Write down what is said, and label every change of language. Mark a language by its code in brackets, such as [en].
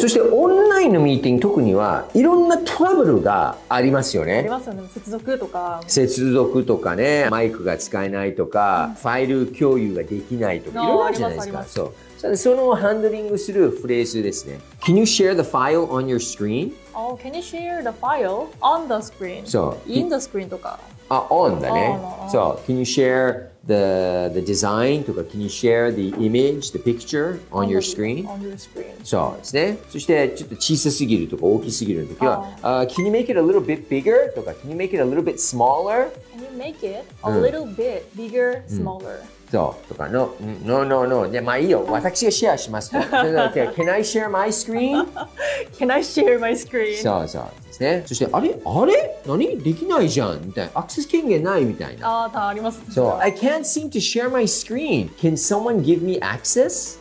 [ja] そしてオンラインのミーティング特にはいろんなトラブルがありますよね。ありますよね。接続とか。接続とかね、マイクが使えないとか、ファイル共有ができないとか、いろいろあるじゃないですか。そう。そのハンドリングするフレーズですね。 [en] Can you share the file on your screen? Oh, can you share the file on the screen? [ja] そう。 [en] In the screen [ja] とか。あ、on だね。そう。 [en] Can you share the design [ja] とか、 [en] Can you share the image, the picture on your screen? On your screen. [ja] そうですね。そして、ちょっと小さすぎるとか大きすぎるときは、 [en] Can you make it a little bit bigger? [ja] とか、 [en] Can you make it a little bit smaller? Can you make it a little bit bigger, smaller? [ja] そう、とか、No. ね、まあいいよ、私がシェアしますと。 [en] okay. Can I share my screen? Can I share my screen? [ja] そうそうですね。そして、あれ何できないじゃんみたいな。アクセス権限ないみたいな。ああ、たぶんあります。そう。 [en] I can't seem to share my screen. Can someone give me access?